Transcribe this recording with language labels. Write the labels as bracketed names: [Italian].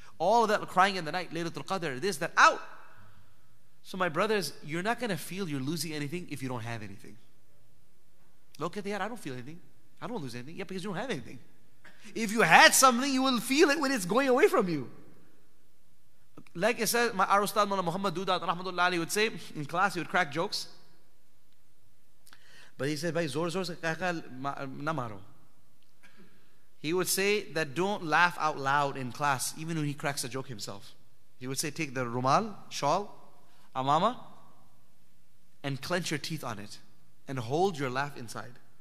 [English] All of that crying in the night, Laylatul Qadr, this, that, out. So my brothers, you're not going to feel you're losing anything if you don't have anything. Look at that, I don't feel anything. I don't lose anything. Yeah, because you don't have anything. If you had something, you will feel it when it's going away from you. Like I said, my Arustad Mullah Muhammad Dudat Rahmatullah Ali would say in class, he would crack jokes. But he said, [Urdu] بھائی، زور سے کہا نہ مارو۔ [English] He would say that don't laugh out loud in class, even when he cracks a joke himself. He would say, take the rumal, shawl, amama, and clench your teeth on it, and hold your laugh inside.